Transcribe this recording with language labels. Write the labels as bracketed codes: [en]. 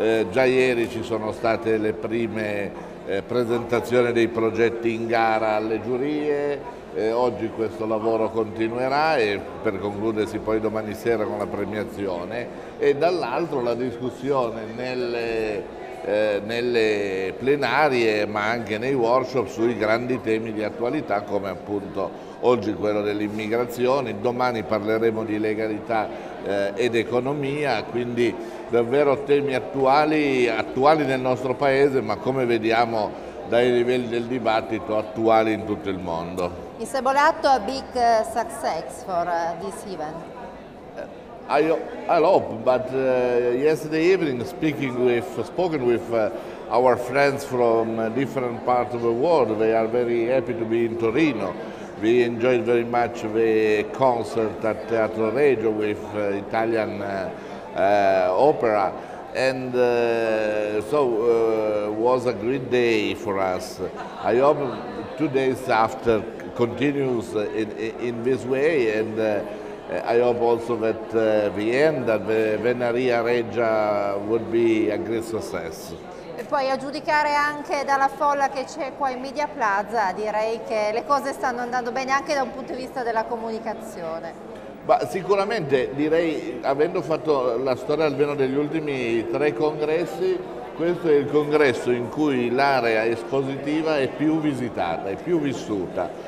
[it] Già ieri ci sono state le prime presentazioni dei progetti in gara alle giurie, oggi questo lavoro continuerà e per concludersi poi domani sera con la premiazione, e dall'altro la discussione nelle plenarie ma anche nei workshop sui grandi temi di attualità, come appunto oggi quello dell'immigrazione. Domani parleremo di legalità ed economia, quindi davvero temi attuali nel nostro paese, ma come vediamo dai livelli del dibattito, attuali in tutto il mondo. [en] Is Mr. Bolatto a big success for this event? I hope, but yesterday evening spoken with our friends from different parts of the world, they are very happy to be in Torino. We enjoyed very much the concert at Teatro Regio with Italian opera, and was a great day for us. I hope 2 days after continues in this way, and I hope also that the end of the Venaria Regia would be a great success. [it] E poi, a giudicare anche dalla folla che c'è qua in Media Plaza, direi che le cose stanno andando bene anche da un punto di vista della comunicazione. Ma sicuramente, direi, avendo fatto la storia almeno degli ultimi 3 congressi, questo è il congresso in cui l'area espositiva è più visitata, è più vissuta.